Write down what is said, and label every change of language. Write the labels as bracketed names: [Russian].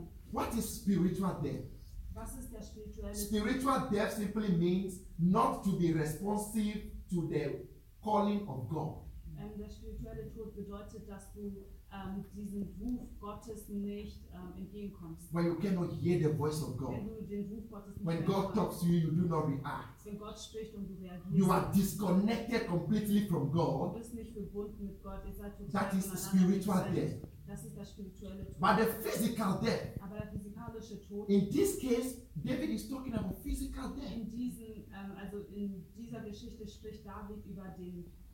[English] What is spiritual death? Spiritual death simply means not to be responsive to the calling of God. [German] Der spirituelle Tod bedeutet, dass du diesem Ruf Gottes nicht entgegenkommst. [English] When you cannot hear the voice of God. [German] Wenn du den Ruf Gottes nicht [English] when God talks to you, you do not react. [German] Wenn Gott spricht und du reagierst. [English] You are disconnected completely from God. [German] Du bist nicht verbunden mit Gott. Ihr seid total [English] that is the spiritual death. [German] Das ist der spirituelle Tod. [English] But the physical death. [German] Aber der physikalische Tod. [English] In this case, David is talking about physical death. [German] In diesen, also in dieser Geschichte spricht David über den